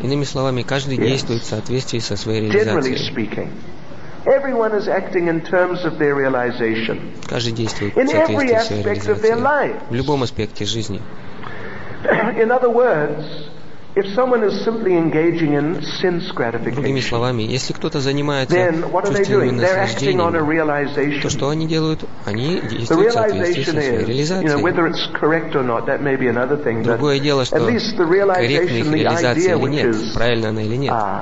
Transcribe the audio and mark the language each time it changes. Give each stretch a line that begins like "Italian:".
Russian: Иными словами, каждый действует в соответствии со своей реализацией.
English: Generally speaking. Everyone is acting in terms of their realization.
Russian: Каждый действует в соответствии со своей реализацией. В любом аспекте жизни.
English: In other words, if someone is simply engaging in sense gratification,
Russian: другими словами, если кто-то занимается чувственным наслаждением, то что они делают? Они действуют в соответствии со своей реализацией.
English: Whether it's correct or not, that may be another thing.
Russian: Другое дело, что корректна их реализация или нет, правильна она или нет.